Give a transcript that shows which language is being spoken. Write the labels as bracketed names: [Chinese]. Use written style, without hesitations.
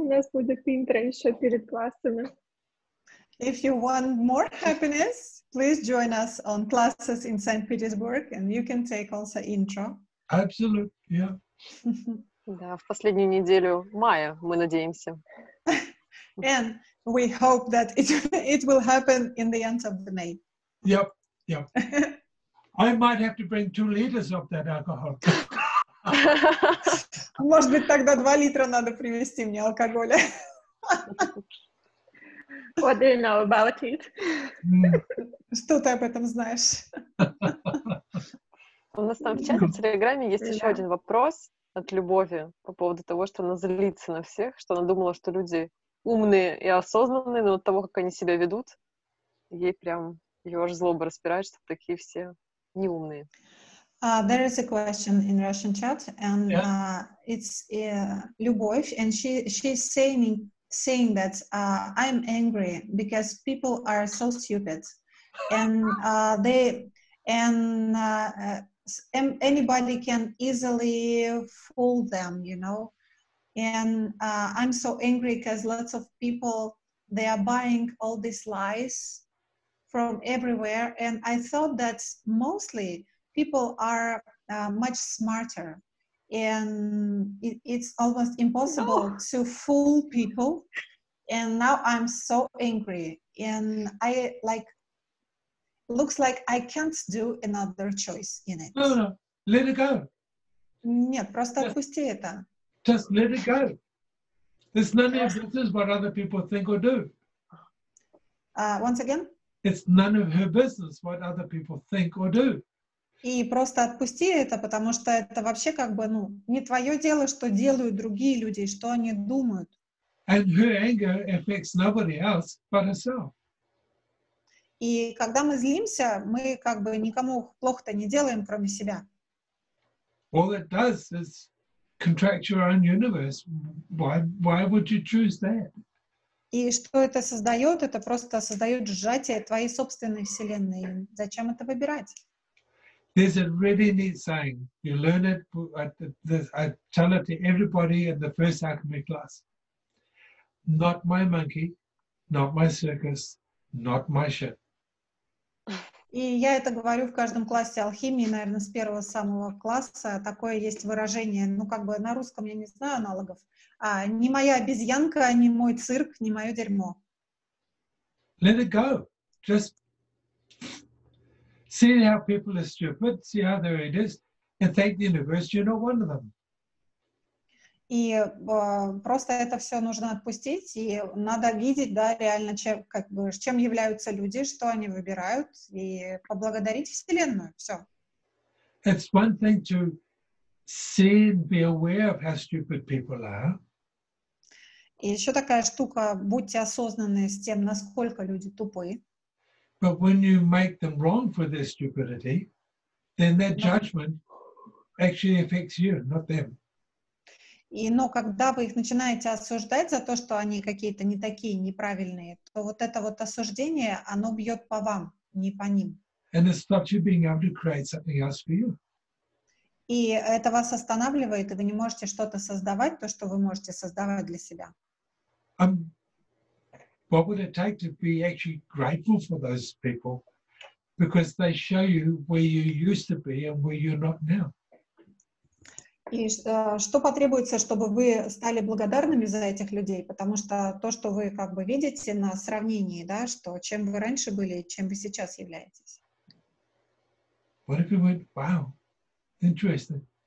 [Russian] У нас будет интро еще перед классами. [English] If you want more happiness, please join us on classes in St. Petersburg, and you can take also intro. Absolutely, yeah. [Russian] Да, в последнюю неделю мая, мы надеемся. [English] And we hope that it will happen in the end of the May. Yep, yep. I might have to bring 2 liters of that alcohol. [Russian] Может быть, тогда 2 литра надо привезти мне алкоголя. [English] What do you know about it? [Russian] Что ты об этом знаешь? У нас там в чате в Телеграме есть еще один вопрос от Любови по поводу того, что она злится на всех, что она думала, что люди умные и осознанные, но от того, как они себя ведут, ей прям ее аж злоба распирает, что такие все. [English] There is a question in Russian chat, and it's Любовь, and she's saying that I'm angry because people are so stupid, and anybody can easily fool them, you know, and I'm so angry because lots of people, they are buying all these lies from everywhere, and I thought that mostly people are much smarter, and it's almost impossible to fool people, and now I'm so angry, and I like, looks like I can't do another choice in it. No, let it go. [Russian] Нет, просто отпусти это. [English] Just let it go. It's none of this is what other people think or do. Once again? It's none of her business what other people think or do. [Russian] И просто отпусти это, потому что это вообще как бы, ну, не твое дело, что делают другие люди, что они думают. [English] And her anger affects nobody else but herself. [Russian] И когда мы злимся, мы как бы никому плохо-то не делаем, кроме себя. [English] All it does is contract your own universe, why would you choose that? [Russian] И что это создает? Это просто создает сжатие твоей собственной вселенной. Зачем это выбирать? [English] There's a really neat saying. You learn it. I tell it to everybody in the first alchemy class. Not my monkey, not my circus, not my ship. [Russian] И я это говорю в каждом классе алхимии, наверное, с первого самого класса. Такое есть выражение, ну, как бы на русском я не знаю аналогов. А, не моя обезьянка, не мой цирк, не мое дерьмо. [English] Let it go. Just see how people are stupid, see how they're idiots, and thank the universe you're not one of them. [Russian] И просто это все нужно отпустить, и надо видеть, да, реально, чем, как бы, чем являются люди, что они выбирают, и поблагодарить Вселенную, все. [English] It's one thing to see and be aware of how stupid people are. [Russian] И еще такая штука, будьте осознанны с тем, насколько люди тупы. [English] But when you make them wrong for their stupidity, then their judgment actually affects you, not them. [Russian] И, но когда вы их начинаете осуждать за то, что они какие-то не такие, неправильные, то вот это вот осуждение, оно бьет по вам, не по ним. [English] And it stops you being able to create something else for you. [Russian] И это вас останавливает, и вы не можете что-то создавать, то, что вы можете создавать для себя. [English] What would it take to be actually grateful for those people? Because they show you where you used to be and where you're not now. [Russian] И что потребуется, чтобы вы стали благодарными за этих людей? Потому что то, что вы как бы видите на сравнении, да, что чем вы раньше были, чем вы сейчас являетесь. [English] What if you went, wow, interesting.